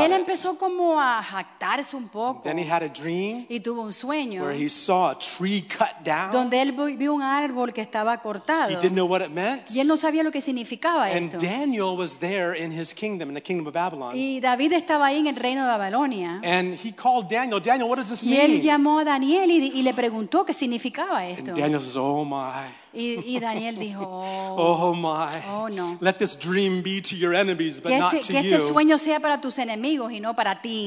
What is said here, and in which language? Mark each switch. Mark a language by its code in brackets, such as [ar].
[es] y él empezó como a jactarse un poco. [en] Then he had a dream [es] y tuvo un sueño [en] where he saw a tree cut down. [es] Donde él vio un árbol que estaba cortado. [en] He didn't know what it meant. [es] Y él no sabía lo que significaba [en] and [es] esto. [en] Daniel was there in his kingdom, in the kingdom of Babylon. [es] Y David estaba ahí en el reino de Babilonia. [en] And he called Daniel. Daniel, what does this [es] y él [en] mean? [es] Llamó a Daniel y le preguntó qué significaba. [en] And Daniel says, oh my. [es] Y Daniel dijo, oh, [en] oh my. Oh no. Let this dream be to your enemies, but not to you. [es] Que este sueño sea para tus enemigos y no para ti.